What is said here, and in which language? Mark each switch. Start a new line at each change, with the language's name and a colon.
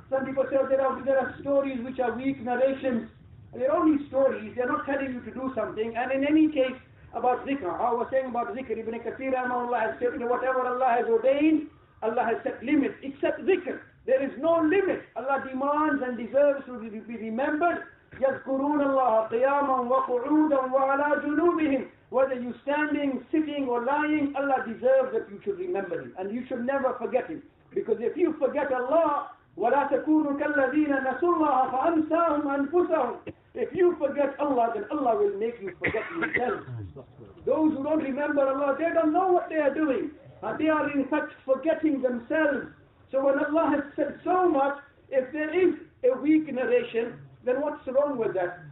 English: Some people say there are stories which are weak narrations. They're only stories. They're not telling you to do something. And in any case, about zikr, I was saying about zikr, Ibn Kathir, Allah has said, whatever Allah has ordained, Allah has set limits, except zikr. There is no limit. Allah demands and deserves to be remembered.
Arabic: يذكرون الله قياما وقعودا وعلى جنوبهم.
English: Whether you're standing, sitting or lying, Allah deserves that you should remember Him. And you should never forget Him. Because if you forget Allah,
Arabic: وَلَا تَكُونُ كَالَّذِينَ نَسُوا اللَّهَ فَأَنْسَاهُمْ أَنْفُسَهُمْ.
English: If you forget Allah, then Allah will make you forget yourself. Those who don't remember Allah, they don't know what they are doing. They are in fact forgetting themselves. So when Allah has said so much, if there is a weak narration, then what's wrong with that?